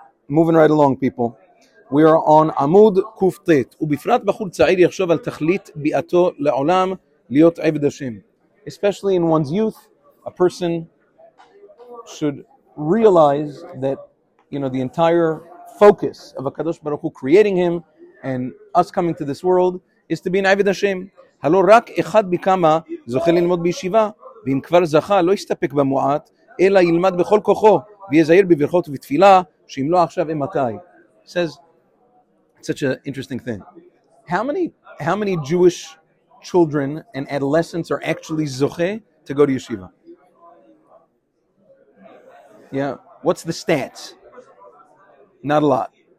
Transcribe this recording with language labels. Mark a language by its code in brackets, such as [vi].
[en] Moving right along, people. We are on עמוד קופטט. [he] ובפרט בחור צעיר יחשוב על תכלית ביאתו לעולם להיות עבד השם. [en] Especially in one's youth, a person should realize that, you know, the entire focus of HaKadosh Baruch Hu creating him and us coming to this world is to be an עבד השם. [he] הלא רק אחד בכמה זוכה ללמוד בישיבה. ואם כבר זכה, לא יסתפק במועט, אלא ילמד בכל כוחו, ויזהיר בברכות ובתפילה, שאם לא עכשיו, אימתי. [en] Says, such an interesting thing. How many Jewish children and adolescents are actually zoche to go to yeshiva? Yeah, what's the stats? Not a lot.